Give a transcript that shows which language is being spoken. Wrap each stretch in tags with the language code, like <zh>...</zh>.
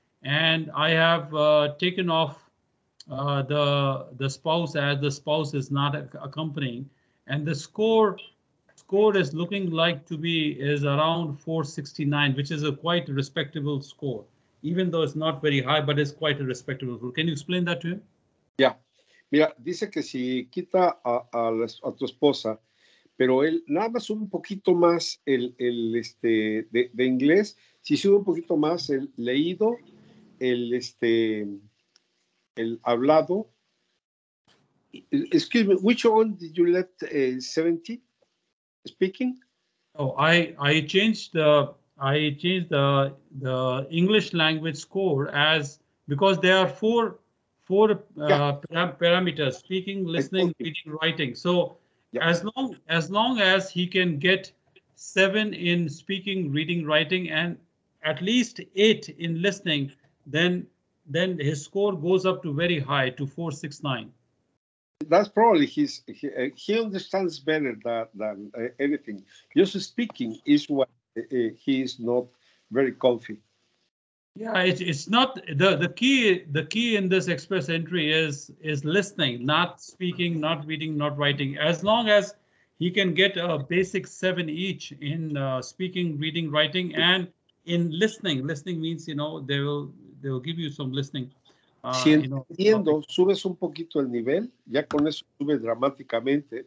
<en>And I have taken off the spouse as the spouse is not accompanying. And the score is looking like to be is around 469, which is a quite respectable score. Even though it's not very high, but it's quite a respectable rule. Can you explain that to him? Yeah.</en> <es>Mira, dice que si quita a tu esposa, pero él nada más un poquito más de inglés, si sube un poquito más el leído, el hablado.</es> <en>Excuse me, which one did you let 70 speaking? Oh, I changed the I changed the English language score as, because there are four parameters: speaking, listening, reading, writing. So as long as he can get 7 in speaking, reading, writing, and at least 8 in listening, then his score goes up to very high, to 4, 6, 9. That's probably he understands better than anything. Just speaking is what he is not very comfy. Yeah, it's not the key in this express entry is listening, not speaking, not reading, not writing. As long as he can get a basic 7 each in speaking, reading, writing, and in listening. Listening means, you know, they will give you some listening.</en> <es>Si entiendo, subes un poquito el nivel, ya con eso sube dramáticamente.</es>